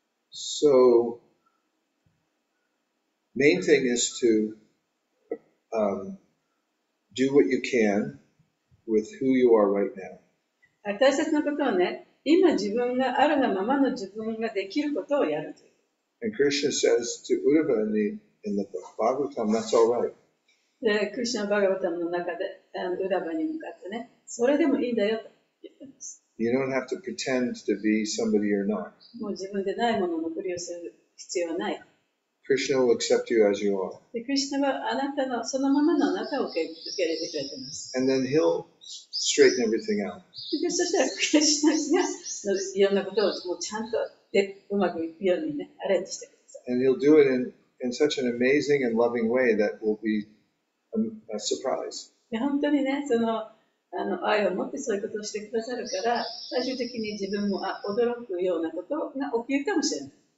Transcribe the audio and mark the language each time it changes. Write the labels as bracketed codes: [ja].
[en] So, main thing is to do what you can with who you are right now. [ja] 大切なことはね、今自分があるがままの自分ができることをやるという。 [en] And Krishna says to Uddhava in In the Bhagavatam, that's all right. [ja] Krishna Bhagavatam の中で、Uddhava に向かってね、それでもいいんだよと言ってます。 [en] You don't have to pretend to be somebody you're not. [ja] もう自分でないもののふりをする必要はない。 [en] Krishna will accept you as you are. [ja] で、Krishna はあなたのそのままのあなたを受け入れてくれてます。 [en] And then he'll straighten everything out. [ja] で、そしたら Krishna がいろんなことをもうちゃんとでうまくいくようにね、アレンジしてください。 [en] And he'll do it in such an amazing and loving way that will be a surprise. [ja] で、本当にね、その愛を持ってそういうことをしてくださるから、最終的に自分も驚くようなことが起きるかもしれない。